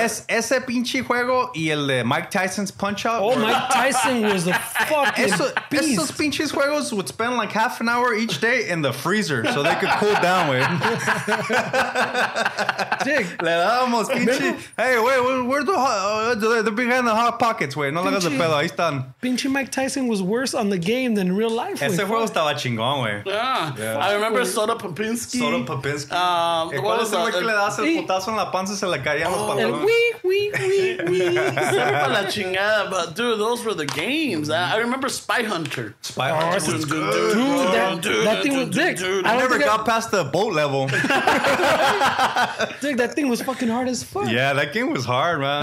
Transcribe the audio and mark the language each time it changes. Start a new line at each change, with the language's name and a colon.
Spanish: Ese pinche juego y el de Mike Tyson's punch-out.
English: Oh, Mike Tyson was a fucking beast. Esos pinches juegos would spend like half an hour each day in the freezer so they could cool down with. Dick.
Spanish: Le dábamos pinche.
English: Hey, wait, they're behind the hot pockets, wait.
Spanish: No le hagas de pedo, ahí están.
English: Pinche Mike Tyson was worse on the game than real life.
Spanish: Ese juego estaba chingón, wey.
English: Yeah. I remember Soda Popinski. Soda Popinski.
Spanish: ¿Cuál es el güey que le das el putazo en la panza y se le caían los pantalones? Wee.
English: Siempre la chingada, but dude, those were the games. I remember Spy Hunter. Spy Hunter was good. Dude, that thing was dick. I never got past the boat level. Dude, that thing was fucking hard as fuck. Yeah, that game was hard, man.